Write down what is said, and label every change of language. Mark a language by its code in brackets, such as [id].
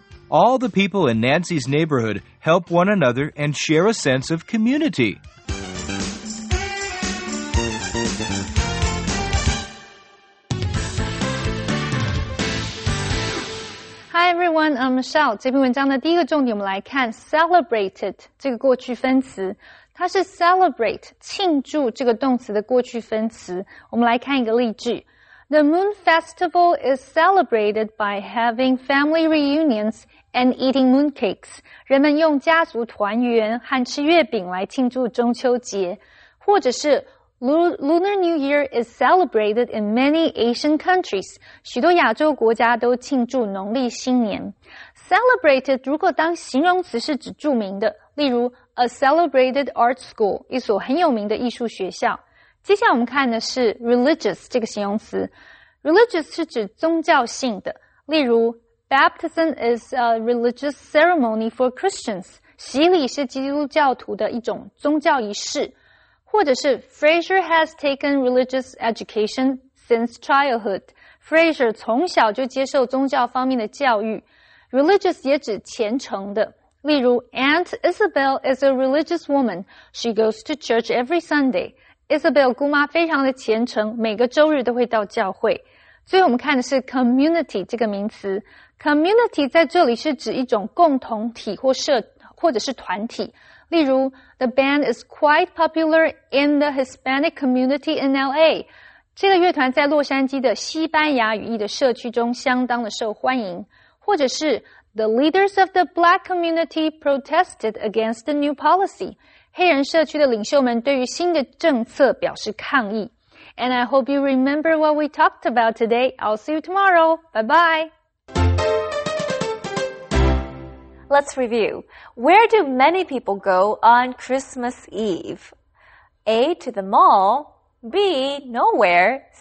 [en] All the people in Nancy's neighborhood help one another and share a sense of community. Hi everyone, I'm Michelle. [zh] 这篇文章的第一个重点我们来看 celebrated 这个过去分词。它是 celebrate, 庆祝这个动词的过去分词。我们来看一个例句。 [en] The Moon Festival is celebrated by having family reunions and eating mooncakes. [zh] 人们用家族团圆和吃月饼来庆祝中秋节。或者是 [en] Lunar New Year is celebrated in many Asian countries. [zh] 许多亚洲国家都庆祝农历新年。Celebrated 如果当形容词是指著名的，例如 [en] A celebrated art school, [zh] 一所很有名的艺术学校。接下来我们看的是 religious 这个形容词。 [en] Religious [zh] 是指宗教性的，例如 [en] Baptism is a religious ceremony for Christians. [zh] 洗礼是基督教徒的一种宗教仪式。或者是 [en] Fraser has taken religious education since childhood. [zh] Fraser 从小就接受宗教方面的教育。 [en] Religious [zh] 也指虔诚的，例如 [en] Aunt Isabel is a religious woman. She goes to church every Sunday. [zh] Isabel 姑妈非常的虔诚，每个周日都会到教会。最后我们看的是 community 这个名词。Community 在这里是指一种共同体或者是团体。例如 [en] ,The band is quite popular in the Hispanic community in LA. [zh] 这个乐团在洛杉矶的西班牙语裔的社区中相当的受欢迎。或者是 [en] ,The leaders of the black community protested against the new policy. [zh] 黑人社区的领袖们对于新的政策表示抗议。 [en] And I hope you remember what we talked about today. I'll see you tomorrow. Bye-bye. Let's review. Where do many people go on Christmas Eve? A, to the mall. B, nowhere.